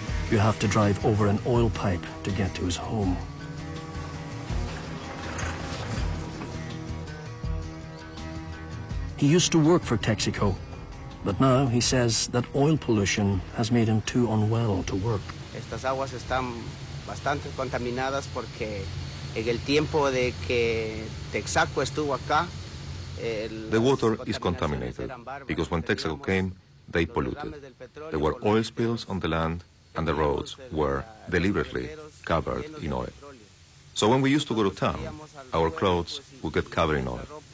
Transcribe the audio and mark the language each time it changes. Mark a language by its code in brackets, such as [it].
[en] You have to drive over an oil pipe to get to his home. He used to work for Texaco, but now he says that oil pollution has made him too unwell to work. [es] Estas aguas están bastante contaminadas porque en el tiempo de que Texaco estuvo acá, [en] the water is contaminated because when Texaco came, they polluted. There were oil spills on the land and the roads were deliberately covered in oil. So when we used to go to town, our clothes would get covered in oil.